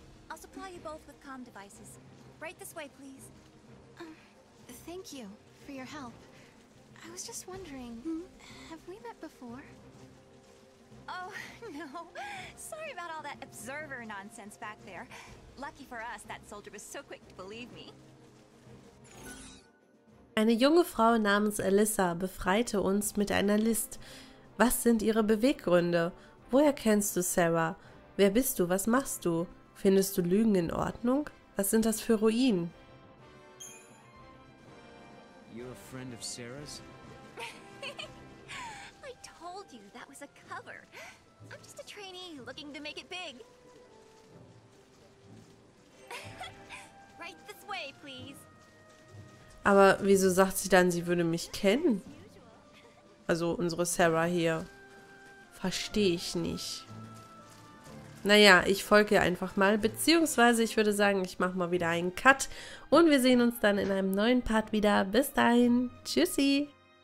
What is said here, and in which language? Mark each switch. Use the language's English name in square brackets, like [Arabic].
[English] I'll supply you both with comm devices. Right this way, please. Thank you for your help. I was just wondering, have we met before? Oh, no. Sorry about all that observer nonsense back there. Lucky for us, that soldier was so quick to believe me. [German] Eine junge Frau namens Alyssa befreite uns mit einer List. Was sind ihre Beweggründe? Woher kennst du Sarah? Wer bist du? Was machst du? Findest du Lügen in Ordnung? Was sind das für Ruinen? [English] You're a friend of Sarah's? I told you, that was a cover. I'm just a trainee looking to make it big. Right this way, please. [German] Aber wieso sagt sie dann, sie würde mich kennen? Also unsere Sarah hier. Verstehe ich nicht. Naja, ich folge ihr einfach mal. Beziehungsweise ich würde sagen, ich mache mal wieder einen Cut. Und wir sehen uns dann in einem neuen Part wieder. Bis dahin. Tschüssi.